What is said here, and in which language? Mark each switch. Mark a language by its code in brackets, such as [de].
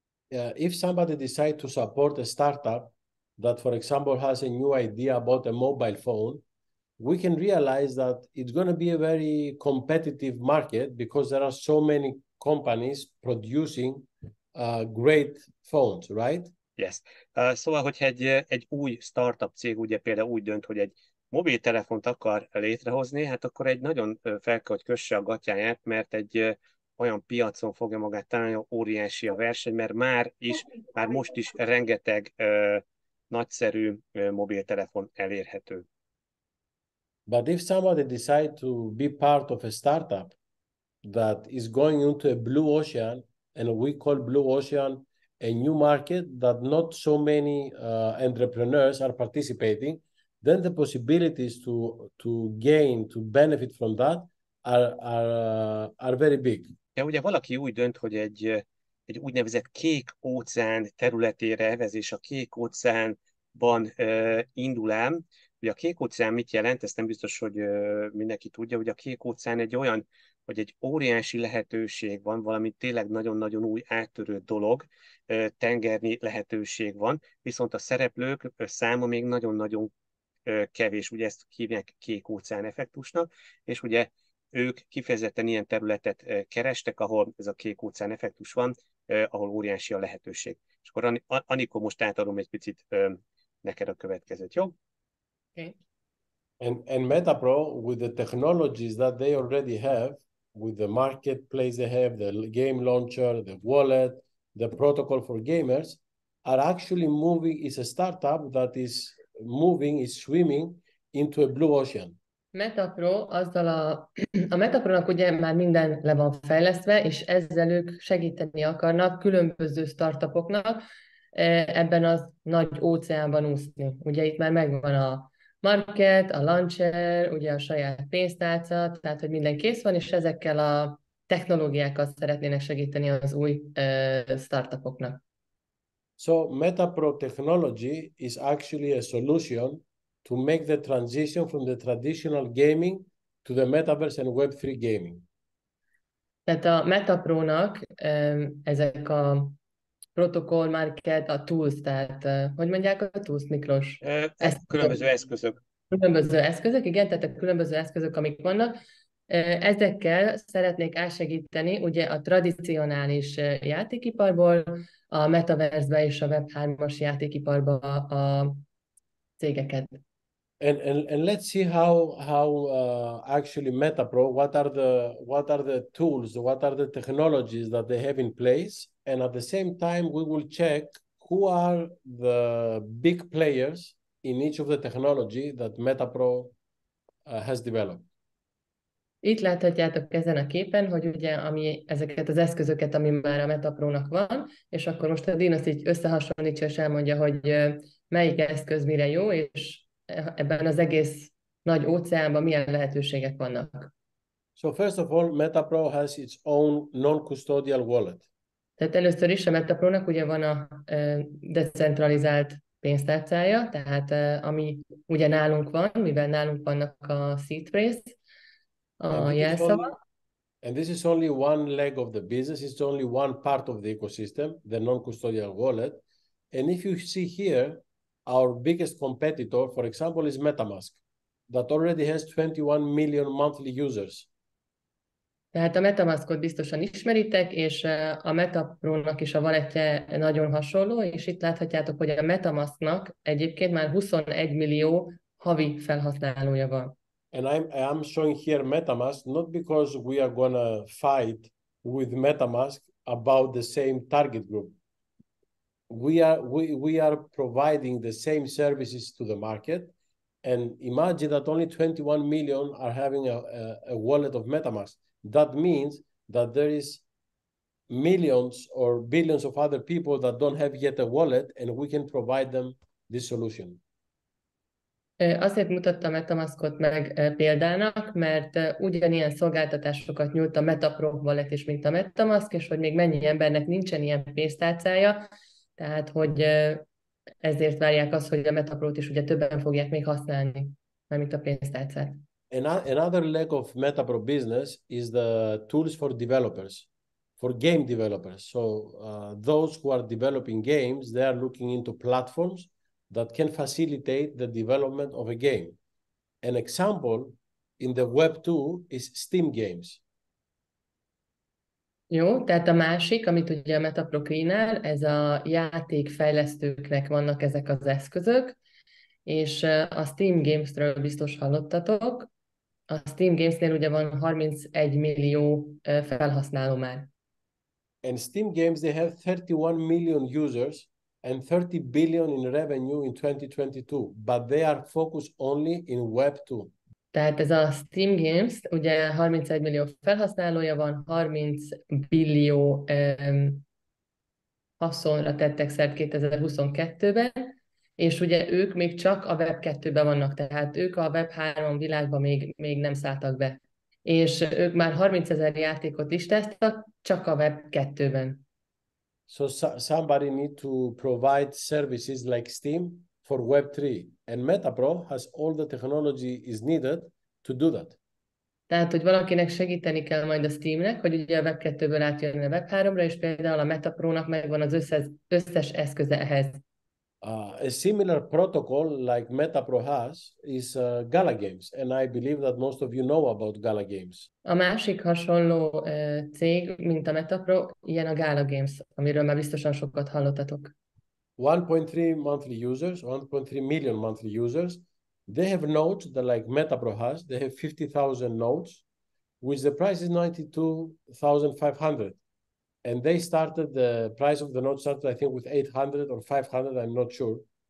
[en] If somebody decides to support a startup that, for example, has a new idea about a mobile phone, we can realize that it's going to be a very competitive market because there are so many companies producing great phones, right? Yes. [hu] Szóval, hogyha egy új startup cég ugye például úgy dönt, hogy egy mobiltelefont akar létrehozni, hát akkor egy nagyon fel kell, hogy kösse a gatyáját, mert egy olyan piacon fogja magát találni, óriási a verseny, mert már most is rengeteg nagyszerű mobiltelefon elérhető. [en] But if somebody decides to be part of a startup that is going into a blue ocean, and we call blue ocean a new market that not so many entrepreneurs are participating, then the possibilities to gain, to benefit from that are very big. [hu] De ugye valaki úgy dönt, hogy egy úgynevezett kék óceán területére evez, és a kék óceánban indul el. Ugye a kék óceán mit jelent, ezt nem biztos, hogy mindenki tudja, hogy a kék óceán egy olyan, hogy egy óriási lehetőség van, valami tényleg nagyon-nagyon új áttörő dolog, tengerni lehetőség van, viszont a szereplők száma még nagyon-nagyon kevés, ugye ezt hívják kék óceán effektusnak, és ugye ők kifejezetten ilyen területet kerestek, ahol ez a kék óceán effektus van, ahol óriási a lehetőség. És akkor Anikó, most átadom egy picit neked a következőt, jó? [en] Okay. And MetaPro, with the technologies that they already have, with the marketplace they have, the game launcher, the wallet, the protocol for gamers, are actually moving, is a startup that is moving, is swimming into a blue ocean. [hu] MetaPro, azzal a MetaPro-nak ugye már minden le van fejlesztve, és ezzel ők segíteni akarnak különböző startupoknak ebben az nagy óceánban úszni. Ugye itt már megvan a market, a launcher, ugye a saját pénztárca, tehát hogy minden kész van, és ezekkel a technológiákkal szeretnének segíteni az új startupoknak. [en] So MetaPro technology is actually a solution to make the transition from the traditional gaming to the metaverse and Web3 gaming. [hu] Tehát a MetaPro-nak ezek a protokoll, market, a tools, tehát hogy mondják a tools, Miklós? Különböző eszközök. Különböző eszközök, igen, tehát a különböző eszközök, amik vannak, ezekkel szeretnék elsegíteni ugye a tradicionális játékiparból, a metaverse-be és a Web3-as játékiparba a cégeket. [en] And let's see how actually MetaPro, what are the tools, what are the technologies that they have in place, and at the same time we will check who are the big players in each of the technology that MetaPro has developed. [hu] Itt láthatjátok ezen a képen, hogy ugye ami ezeket az eszközöket, ami már a MetaPro-nak van, és akkor most a Dinosz így összehasonlítja és elmondja, hogy melyik eszköz mire jó, és ebben az egész nagy óceánban milyen lehetőségek vannak. [en] So first of all, MetaPro has its own non-custodial wallet. [hu] Tehát először is a MetaPro-nak ugye van a decentralizált pénztárcája, tehát ami ugye nálunk van, mivel nálunk vannak a seed phrase, a jelszava. [en] And this is only one leg of the business, it's only one part of the ecosystem, the non-custodial wallet. And if you see here, our biggest competitor, for example, is MetaMask, that already has 21 million monthly users. [hu] Tehát a MetaMaskot biztosan ismeritek, és a MetaPro-nak is a valetje nagyon hasonló, és itt láthatjátok, hogy a MetaMasknak egyébként már 21 millió havi felhasználója van. [en] And I'm showing here MetaMask, not because we are going to fight with MetaMask about the same target group. We are providing the same services to the market, and imagine that only 21 million are having a wallet of MetaMask. That means that there is millions or billions of other people that don't have yet a wallet, and we can provide them this solution. [hu] Azért mutattam MetaMaskot meg példának, mert ugyanilyen szolgáltatásokat nyújt a MetaPro wallet is, mint a MetaMask, és hogy még mennyi embernek nincsen ilyen pénztárcája. Tehát, hogy ezért várják azt, hogy a MetaPro-t is ugye többen fogják még használni, nem mint a pénztárcát. [en] Another leg of MetaPro business is the tools for developers, for game developers. So those who are developing games, they are looking into platforms that can facilitate the development of a game. An example in the Web 2 is Steam games. [hu] Jó, tehát a másik, amit ugye a MetaPro kínál, ez a játékfejlesztőknek vannak ezek az eszközök, és a Steam Games-ről biztos hallottatok. A Steam Games-nél ugye van 31 millió felhasználó már. [en] And Steam Games, they have 31 million users and 30 billion in revenue in 2022, but they are focused only in Web 2. [hu] Tehát ez a Steam Games, ugye 31 millió felhasználója van, 30 billió haszonra tettek szert 2022-ben, és ugye ők még csak a Web 2-ben vannak, tehát ők a Web 3 világban még nem szálltak be. És ők már 30 ezer játékot listáztak, csak a Web 2-ben. [en] So somebody need to provide services like Steam for Web 3. And MetaPro has all the technology is needed to do that. [hu] Tehát, hogy valakinek segíteni kell majd a Steamnek, hogy ugye a Web 2-ből átjönni a Web 3-ra, és például a MetaPro-nak megvan az összes eszköze ehhez. [en] A similar protocol like MetaPro has is Gala Games, and I believe that most of you know about Gala Games. [hu] A másik hasonló cég, mint a MetaPro, ilyen a Gala Games, amiről már biztosan sokat hallottatok. [en] 1.3 monthly users, 1.3 million monthly users, they have nodes that like MetaPro has, they have 50,000 nodes, which the price is 92,500. And they started, the price of the node started, I think, with 800 or 500, I'm not sure.